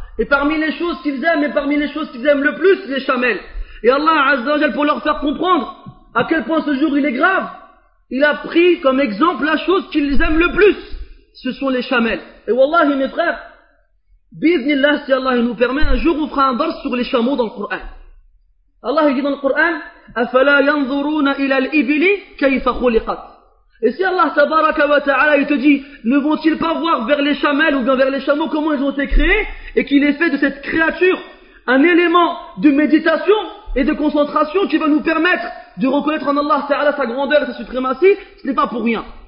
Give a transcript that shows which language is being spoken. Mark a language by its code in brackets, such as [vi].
[fr] Et parmi les choses qu'ils aiment et parmi les choses qu'ils aiment le plus, les chamelles. Et Allah Azza wa Jalla, pour leur faire comprendre à quel point ce jour il est grave, il a pris comme exemple la chose qu'ils aiment le plus, ce sont les chamelles. Et wallahi mes frères, biznillah, si Allah nous permet, un jour on fera un dars sur les chameaux dans le Coran. Allah dit dans le Coran, [ar] أَفَلَا يَنْظُرُونَ إِلَى الْإِبِلِ كَيْفَ خُلِقَتْ. [fr] Et si Allah [ar] tabaraka wa ta'ala [fr] il te dit, ne vont-ils pas voir vers les chamelles ou bien vers les chameaux comment ils ont été créés, et qu'il ait fait de cette créature un élément de méditation et de concentration qui va nous permettre de reconnaître en Allah ta'ala sa grandeur et sa suprématie, ce n'est pas pour rien.